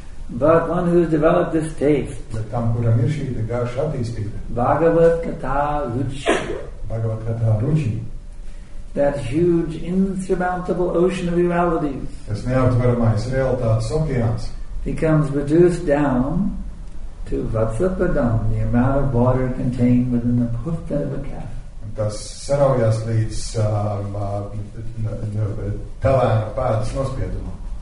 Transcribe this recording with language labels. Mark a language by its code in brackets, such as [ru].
[en] But one who has developed this taste. [lv] Bet tam, kuram ir šī te garša attīstība. [sa] Bhagavad Katha Ruchi. Bhagavad Katha Ruchi. [en] That huge, insurmountable ocean of realities. [lv] Tas neaptveramais realitātes okeāns. [en] Becomes reduced down to vatsapadam, the amount of water contained within the hoofbed of a calf. [lv] Tas saraujas līdz tavēna pēdas nospiedumā.